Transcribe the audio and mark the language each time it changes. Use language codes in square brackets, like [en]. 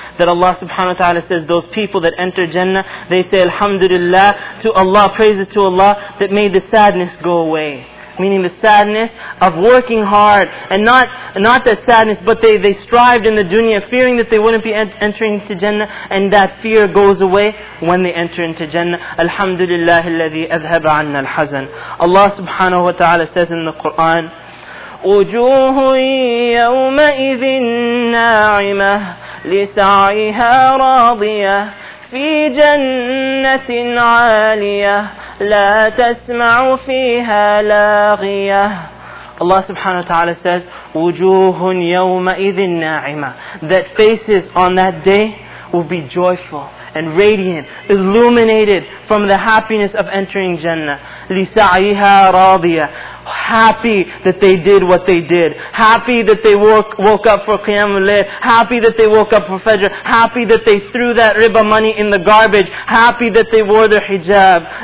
[en] That Allah subhanahu wa ta'ala says those people that enter Jannah, they say Alhamdulillah to Allah, praises to Allah that made the sadness go away. Meaning the sadness of working hard, and not that sadness, but they strived in the dunya fearing that they wouldn't be entering into Jannah, and that fear goes away when they enter into Jannah. [ar] Alhamdulillah alladhi adhaba anna al-hazan. [en] Allah subhanahu wa ta'ala says in the Qur'an, [ar] وجوه يومئذ ناعمة لسعيها راضية في جنة عالية لا تسمع فيها لاغية. [en] Allah subhanahu wa ta'ala says, [ar] وجوه يومئذ ناعمة, [en] that faces on that day will be joyful and radiant, illuminated from the happiness of entering Jannah. [ar] لسعيها راضية, [en] happy that they did what they did, happy that they woke up for Qiyam al-Layl, happy that they woke up for Fajr, happy that they threw that riba money in the garbage, happy that they wore their hijab.